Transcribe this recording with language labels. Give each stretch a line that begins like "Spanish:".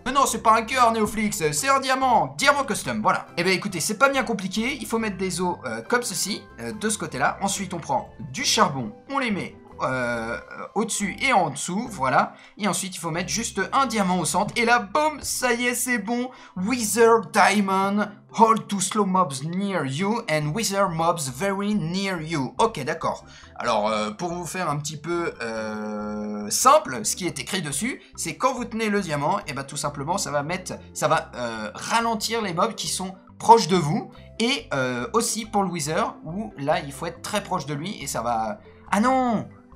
French: Mais non, c'est pas un cœur, Neoflix, c'est un diamant. Diamant custom, voilà. Et bah écoutez, c'est pas bien compliqué, il faut mettre des os comme ceci, de ce côté-là. Ensuite, on prend du charbon, on les met au-dessus et en dessous, voilà. Et ensuite, il faut mettre juste un diamant au centre. Et là, boum, ça y est, c'est bon.
English: Wither Diamond. Hold to slow mobs near you and wither mobs very near you.
French: Ok, d'accord. Alors, pour vous faire un petit peu simple, ce qui est écrit dessus, c'est quand vous tenez le diamant, et bah, tout simplement, ça va mettre, ça va ralentir les mobs qui sont proches de vous. Et aussi pour le wither, où là, il faut être très proche de lui et ça va... Ah non !